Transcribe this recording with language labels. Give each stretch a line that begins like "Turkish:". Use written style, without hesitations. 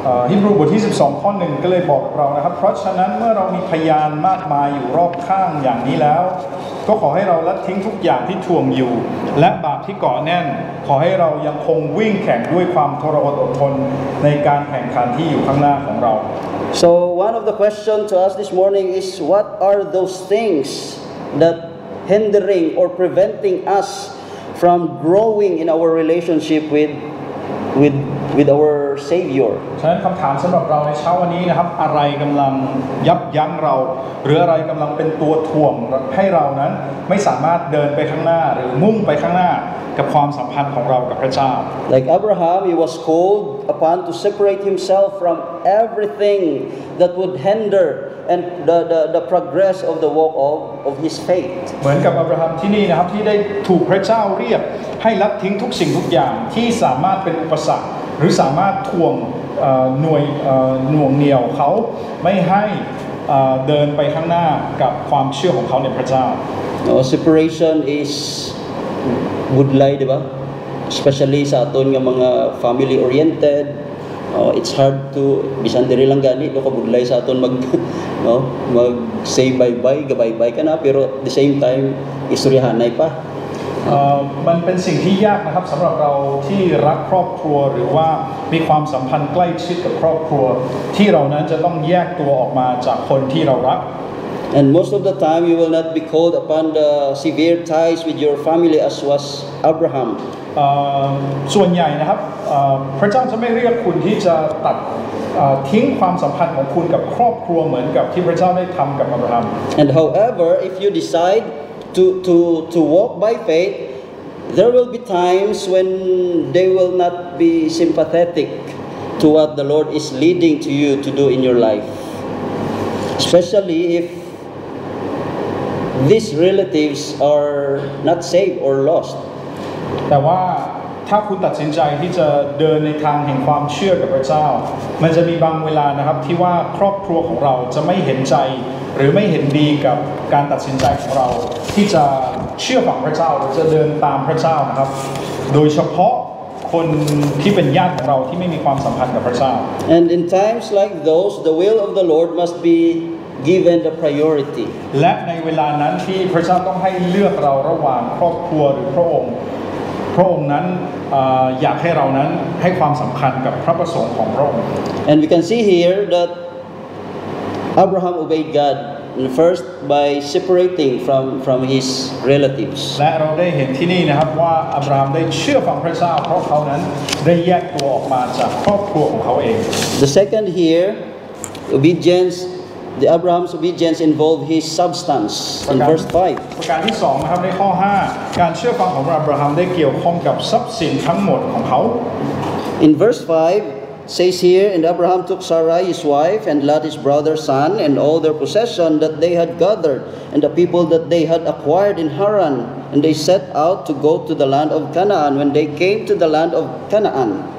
Thai: Hebrews บทที่12ข้อ1ก็เลยบอกเรานะครับเพราะฉะนั้นเมื่อเรามีพยานมากมายอยู่รอบข้างอย่างนี้แล้วก็ขอให้เราละทิ้งทุกอย่างที่ถ่วงอยู่และบาปที่เกาะแน่นขอให้เรายังคงวิ่งแข่งด้วยความทรหดอดทนในการแข่งขันที่อยู่ข้างหน้าของเรา
English: So one of the questions to us this morning is what are those things that hindering or preventing us from growing in our relationship with with our Savior.
Thai: ฉะนั้นคำถามสำหรับเราในเช้าวันนี้นะครับอะไรกำลังยับยั้งเราหรืออะไรกำลังเป็นตัวถ่วงให้เรานั้นไม่สามารถเดินไปข้างหน้าหรือมุ่งไปข้างหน้ากับความสัมพันธ์ของเรากับพระเจ้า
English: Like Abraham, he was called upon to separate himself from everything that would hinder and the progress of the walk of his faith.
Thai: เหมือนกับอับราฮัมที่นี่นะครับที่ได้ถูกพระเจ้าเรียกให้ละทิ้งทุกสิ่งทุกอย่างที่สามารถเป็นอุปสรรคหรือสามารถถ่วงหน่วยหน่วงเหนี่ยวเขาไม่ให้เดินไปข้างหน้ากับความเชื่อของเขาในพระเจ้า
English: Our separation is would lie
Waray: diba
English: especially
Waray: sa aton nga mga
English: family oriented it's hard to
Waray: bisan diri lang gani no kabud lie sa aton mag no mag
English: say bye bye goodbye bye
Waray: kana pero
English: at the same time
Waray: isurihanay pa
Thai: มันเป็นสิ่งที่ยากนะครับสำหรับเราที่รักครอบครัวหรือว่ามีความสัมพันธ์ใกล้ชิดกับครอบครัวที่เรานั้นจะต้องแยกตัวออกมาจากคนที่เรารัก
English: And most of the time you will not be called upon the severe ties with your family as was Abraham
Thai: ส่วนใหญ่นะครับพระเจ้าจะไม่เรียกคุณที่จะตัดทิ้งความสัมพันธ์ของคุณกับครอบครัวเหมือนกับที่พระเจ้าได้ทำกับอับราฮัม
English: And however if you decideto walk by faith there will be times when they will not be sympathetic to what the Lord is leading to you to do in your life especially if these relatives are not saved or lost
Thai: แต่ว่าถ้าคุณตัดสินใจที่จะเดินในทางแห่งความเชื่อกับพระเจ้ามันจะมีบางเวลานะครับที่ว่าครอบครัวของเราจะไม่เห็นใจหรือไม่เห็นดีกับการตัดสินใจของเราที่จะเชื่อฟังพระเจ้าหรือจะเดินตามพระเจ้านะครับโดยเฉพาะคนที่เป็นญาติของเราที่ไม่มีความสัมพันธ์กับพระเจ้า
English: And in times like those the will of the Lord must be given the priority
Thai: และในเวลานั้นที่พระเจ้าต้องให้เลือกเราระหว่างครอบครัวหรือพระองค์พระองค์นั้นอยากให้เรานั้นให้ความสำคัญกับพระประสงค์ของพระองค์
English: And we can see here that Abraham obeyed GodFirst, by separating from his relatives.
Thai: และเราได้เห็นที่นี่นะครับว่าอับราฮัมได้เชื่อฟังพระเจ้าเพราะเขานั้นได้แยกตัวออกมาจากครอบครัวของเขาเอง
English: The second here, obedience, the Abraham's obedience involved his substance in verse 5.
Thai: ประการที่สองนะครับในข้อ5การเชื่อฟังของอับราฮัมได้เกี่ยวข้องกับทรัพย์สินทั้งหมดของเขา
English: In verse 5. Says here, and Abraham took Sarai his wife, and Lot his brother's son, and all their possession that they had gathered, and the people that they had acquired in Haran, and they set out to go to the land of Canaan. When they came to the land of Canaan,